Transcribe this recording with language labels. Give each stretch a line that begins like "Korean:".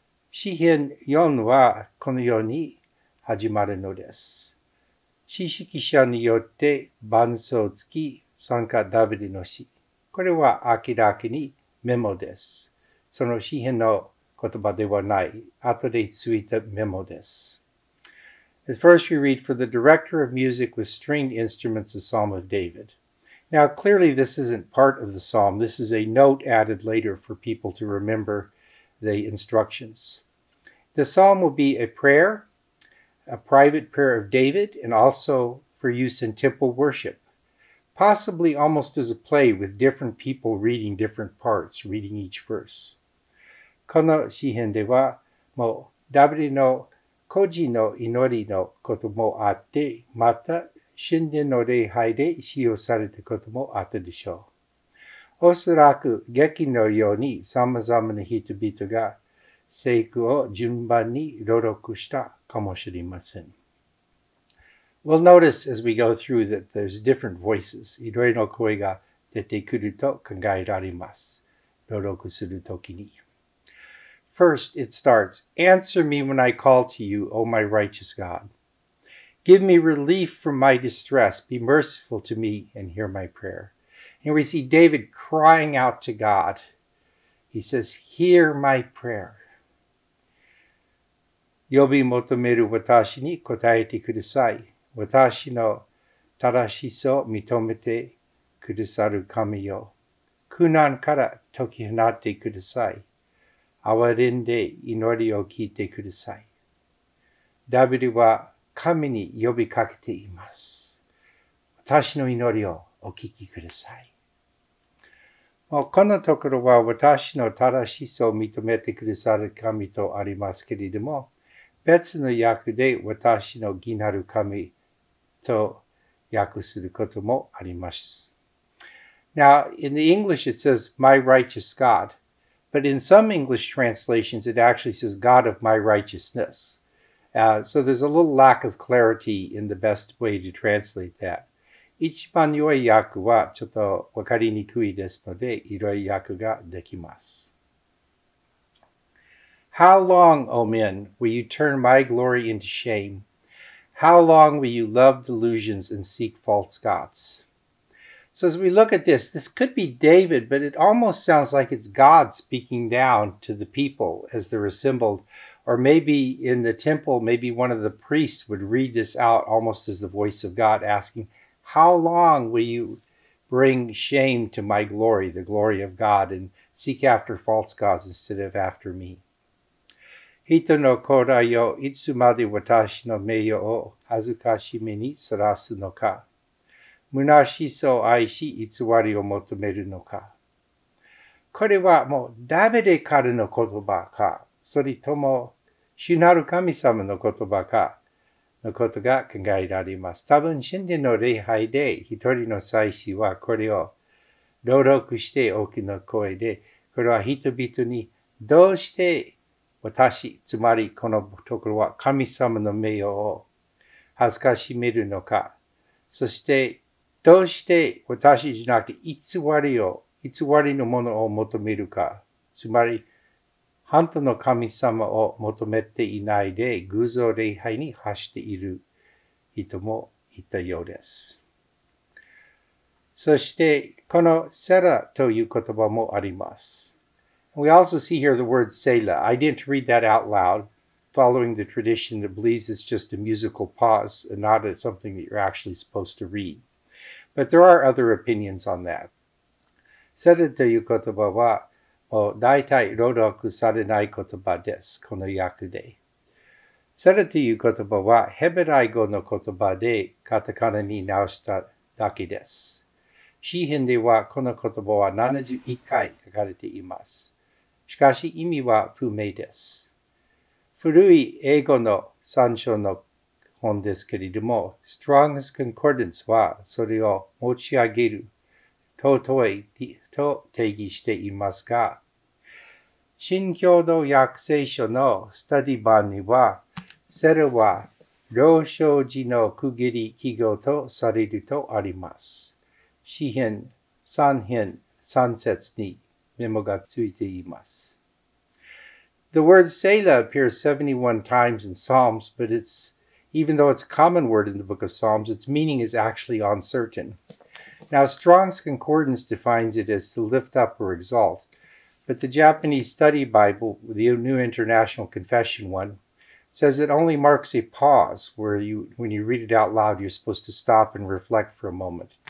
Japanese: 詩編4はこのように始まるのです。詩識者によって伴奏付き参加ダビデの詩。これは明らかにメモです。その詩編の言葉ではない、後でついたメモです。
English: At first we read, for the director of music with stringed instruments, the Psalm of David. Now clearly this isn't part of the Psalm. This is a note added later for people to remember the instructions. The Psalm will be a prayer,A private prayer of David, and also for use in temple worship, possibly almost as a play with different people reading different parts, reading each verse.
Japanese: この詩編では、もうダビデの個人の祈りのこともあって、また神殿の礼拝で使用されたこともあったでしょう。おそらく劇のように様々な人々が聖句を順番に朗読した。
English: We'll notice as we go through that there's different voices.
Japanese: いろいろな声が出てくると考えられます。朗読するときに。
English: First, it starts, Answer me when I call to you, O my righteous God. Give me relief from my distress. Be merciful to me and hear my prayer. And we see David crying out to God. He says, Hear my prayer.
Japanese: 呼び求める私に答えてください。私の正しさを認めてくださる神よ。苦難から解き放ってください。憐れんで祈りを聞いてください。ダビデは神に呼びかけています。私の祈りをお聞きください。もうこのところは私の正しさを認めてくださる神とありますけれども、別の訳で私の義なる神と訳することもあります。
English: Now, in the English it says, my righteous God. But in some English translations it actually says, God of my righteousness. So there's a little lack of clarity in the best way to translate that.
Japanese: 一番良い訳はちょっと分かりにくいですので、いろいろ訳ができます。
English: How long, O men, will you turn my glory into shame? How long will you love delusions and seek false gods? So as we look at this, this could be David, but it almost sounds like it's God speaking down to the people as they're assembled. Or maybe in the temple, maybe one of the priests would read this out almost as the voice of God asking, how long will you bring shame to my glory, the glory of God, and seek after false gods instead of after me?
Japanese: 人の子らよ、いつまで私の名誉を恥ずかしめにさらすのか。虚しさを愛し、偽りを求めるのか。これはもうダビデからの言葉か、それとも主なる神様の言葉か、のことが考えられます。多分、神殿の礼拝で一人の祭司はこれを朗読して大きな声で、これは人々にどうして私、つまりこのところは神様の名誉を恥ずかしめるのか、そしてどうして私じゃなくて偽りのものを求めるか、つまり本当の神様を求めていないで偶像礼拝に走っている人もいたようです。そしてこのセラという言葉もあります。
English: We also see here the word Selah. I didn't read that out loud, following the tradition that believes it's just a musical pause and not something that you're actually supposed to read. But there are other opinions on that.
Japanese: Selah という言葉は、もう大体朗読されない言葉です、この訳で。 Selah という言葉は、ヘブライ語の言葉でカタカナに直しただけです。詩編ではこの言葉は71回書かれています。しかし意味は不明です。古い英語の参照の本ですけれども、Strong's Concordance はそれを持ち上げる、尊いと定義していますが、新共同訳聖書のスタディ版には、セルは老少時の区切り記号とされるとあります。詩編、三編、三節に、メモがついています。
English: The word Selah appears 71 times in Psalms, but it's, even though it's a common word in the book of Psalms, its meaning is actually uncertain. Now, Strong's Concordance defines it as to lift up or exalt, but the Japanese Study Bible, the New International Confession one, says it only marks a pause where you, when you read it out loud, you're supposed to stop and reflect for a moment.